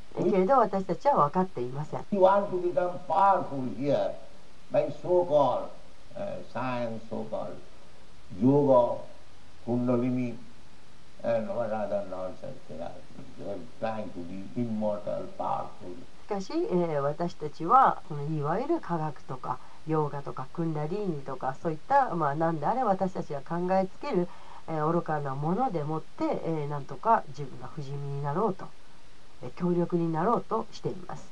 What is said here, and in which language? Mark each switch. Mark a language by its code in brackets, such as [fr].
[ja] けれど私たちは分かっていません。 [en] He wants to become powerful hereby so-called science, so-called yoga, kundalini, and what other nonsense they are. They are trying to be immortal, powerful. [ja] しかし、私たちはそのいわゆる科学とかヨーガとかクンダリーニとかそういった、まあ、何であれ私たちが考えつける、愚かなものでもって、なんとか自分が不死身になろうと、強力になろうとしています。